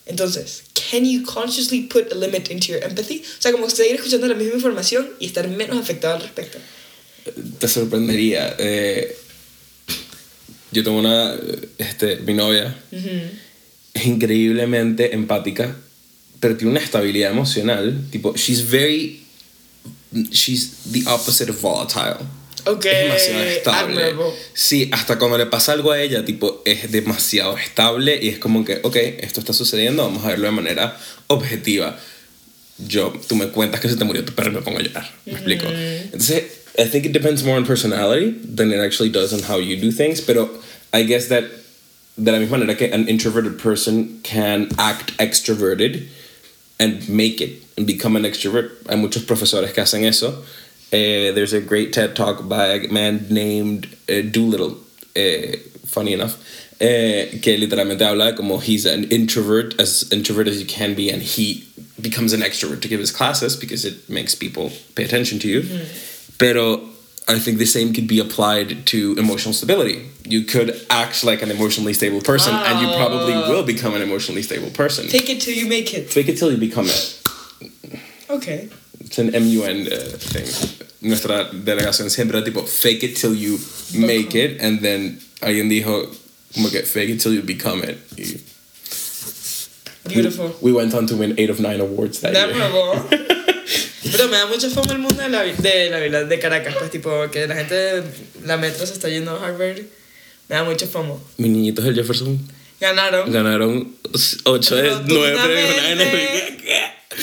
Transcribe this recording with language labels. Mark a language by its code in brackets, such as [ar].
[en] Entonces, can you consciously put a limit into your empathy? [es] O sea, como seguir escuchando la misma información y estar menos afectado al respecto. Te sorprendería. Yo tengo una, mi novia, uh-huh, es increíblemente empática, pero tiene una estabilidad emocional, tipo, [en] she's the opposite of volatile. Okay. [es] Es demasiado estable. Admirable. Sí, hasta cuando le pasa algo a ella, tipo, es demasiado estable y es como que, okay, esto está sucediendo, vamos a verlo de manera objetiva. Tú me cuentas que se te murió tu perro y me pongo a llorar, uh-huh, ¿me explico? Entonces... [en] I think it depends more on personality than it actually does on how you do things. Pero I guess that [es] de la misma manera que [en] an introverted person can act extroverted and make it and become an extrovert. [es] Hay muchos profesores que hacen eso. [en] There's a great TED talk by a man named Doolittle, funny enough, [es] que literalmente habla como [en] he's an introvert as you can be, and he becomes an extrovert to give his classes because it makes people pay attention to you. Mm-hmm. Pero I think the same could be applied to emotional stability. You could act like an emotionally stable person, wow, and you probably will become an emotionally stable person. Take it till you make it. Take it till you become it. Okay. It's an MUN thing. [es] Nuestra delegación siempre era tipo, [en] fake it till you make it, and then [es] alguien dijo, como que, [en] fake it till you become it. Beautiful. We went on to win 8 of 9 awards that year. [es] Pero me da mucha fama el mundo de Caracas, pues tipo que la gente de la metro se está yendo a Harvard. Me da mucha fama. Mis niñitos del Jefferson ganaron 8 de 9 premios. ¿Qué?